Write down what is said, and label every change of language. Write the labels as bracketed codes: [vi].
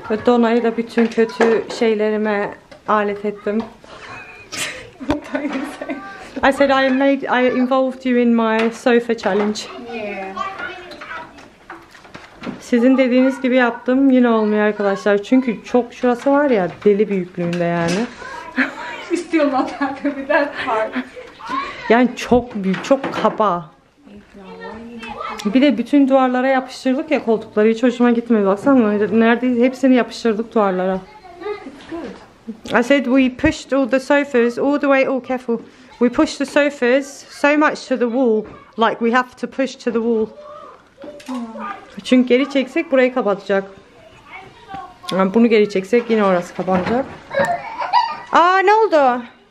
[tr] Donayı da bütün kötü şeylerime alet ettim. [en] I said I involved you in my sofa challenge. [tr] Sizin dediğiniz gibi yaptım. Yine olmuyor arkadaşlar. Çünkü çok şurası var ya deli büyüklüğünde yani. İstiyorum zaten bir de. Yani çok büyük, çok kaba. Bir de bütün duvarlara yapıştırdık ya koltukları. Hiç hoşuma gitmedi. Baksana neredeyse hepsini yapıştırdık duvarlara. [en] I said we pushed all the sofas all the way. Oh careful. We pushed the sofas so much to the wall. Like we have to push to the wall. [tr] Çünkü geri çeksek burayı kapatacak. Yani bunu geri çeksek yine orası kapanacak. Aa ne oldu?